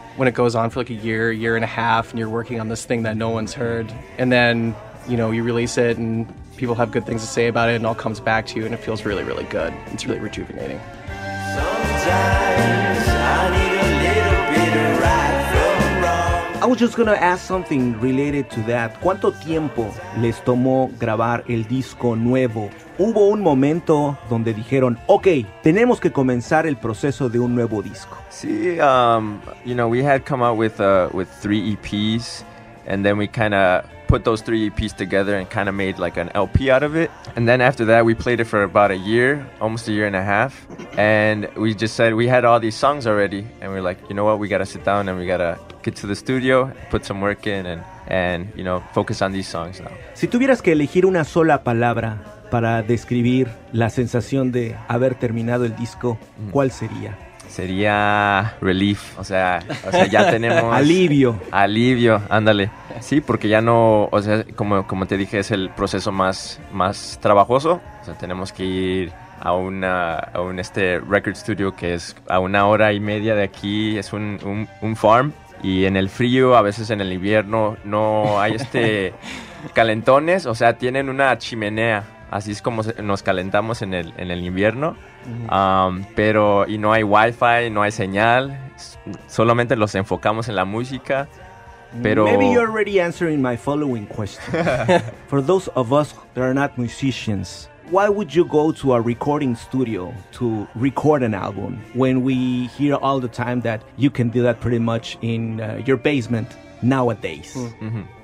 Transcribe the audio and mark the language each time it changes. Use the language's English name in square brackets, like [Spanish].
[English] When it goes on for like a year, year and a half, and you're working on this thing that no one's heard, and then, you know, you release it and people have good things to say about it and all comes back to you and it feels really, really good. It's really rejuvenating. Sometimes I need a little bit of right from wrong. I was just gonna ask something related to that. [Spanish] ¿Cuánto tiempo les tomó grabar el disco nuevo? ¿Hubo un momento donde dijeron, okay, tenemos que comenzar el proceso de un nuevo disco? [English] Sí, you know, we had come out with 3 EPs, and then we kind of put those 3 EPs together and kind of made like an LP out of it. And then after that, we played it for about a year, almost a year and a half. And we just said, we had all these songs already, and we're like, you know what, we got to sit down and we got to get to the studio, put some work in, and, you know, focus on these songs now. [Spanish] Si tuvieras que elegir una sola palabra para describir la sensación de haber terminado el disco, ¿cuál sería? Sería relief, o sea ya tenemos... Alivio, ándale. Sí, porque ya no, o sea, como te dije, es el proceso más trabajoso. O sea, tenemos que ir a un [English] record studio [Spanish] que es a una hora y media de aquí, es un farm. Y en el frío, a veces en el invierno, no hay calentones, o sea, tienen una chimenea. Así es como nos calentamos en el invierno. Pero y no hay wifi, no hay señal, solamente los enfocamos en la música. Pero [English] maybe you're already answering my following question. For those of us that are not musicians, why would you go to a recording studio to record an album when we hear all the time that you can do that pretty much in your basement nowadays? Mm-hmm.